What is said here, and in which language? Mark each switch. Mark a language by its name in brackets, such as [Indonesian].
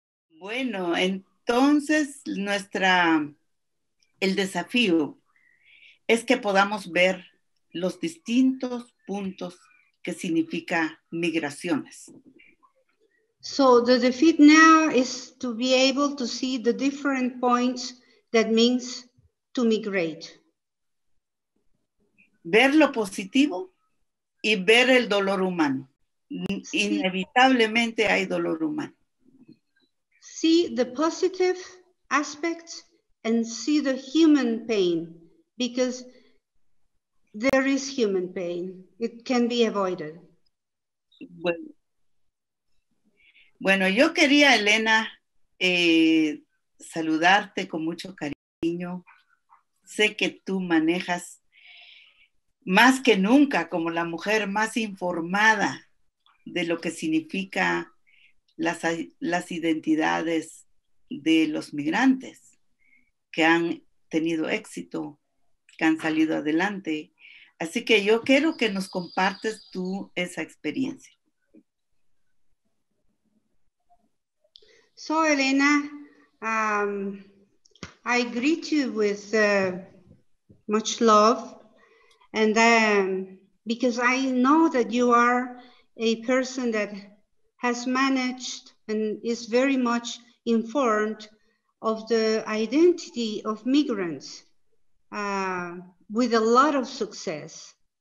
[Spanish] Bueno, entonces el desafío es que podamos ver los distintos puntos que significa migraciones. [English] So the defeat now is to be able to see the different points that means to migrate. [Spanish] Ver lo positivo y ver el dolor humano. Inevitablemente hay dolor humano. [English] See the positive aspects and see the human pain, because there is human pain. It can be avoided. [Spanish] Bueno, yo quería, Elena, saludarte con mucho cariño. Sé que tú manejas más que nunca como la mujer más informada de lo que significa las identidades de los migrantes que han tenido éxito, que han salido adelante. Así que yo quiero que nos compartas tú esa experiencia. [English] So, Elena, I greet you with much love, and because I know that you are a person that has managed and is very much informed of the identity of migrants with a lot of success.